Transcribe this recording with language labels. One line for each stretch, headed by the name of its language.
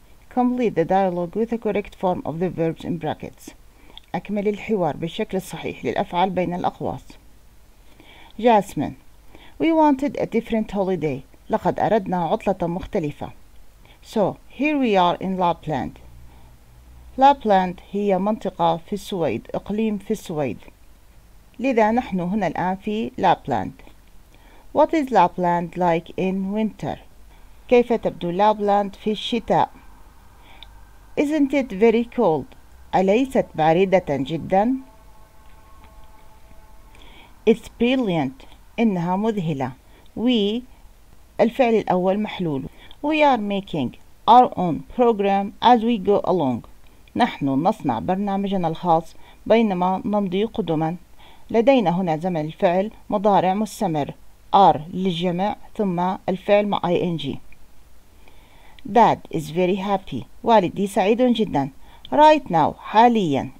English: Complete the dialogue with the correct form of the verbs in brackets.
Arabic: أكمل الحوار بالشكل الصحيح للأفعال بين الأقواس.
English: Jasmine: We wanted a different holiday.
Arabic: لقد أردنا عطلة مختلفة.
English: So here we are in Lapland.
Arabic: لابلاند هي منطقة في السويد، إقليم في السويد. لذا نحن هنا الآن في لابلاند.
English: What is Lapland like in winter؟
Arabic: كيف تبدو لابلاند في الشتاء؟
English: Isn't it very cold؟
Arabic: أليست باردة جدا؟
English: It's brilliant.
Arabic: إنها مذهلة. We الفعل الأول محلول.
English: We are making our own program as we go along.
Arabic: نحن نصنع برنامجنا الخاص بينما نمضي قدما. لدينا هنا زمن الفعل مضارع مستمر R للجمع ثم الفعل مع ing.
English: Dad is very happy.
Arabic: والدي سعيد جدا.
English: Right now
Arabic: حاليا.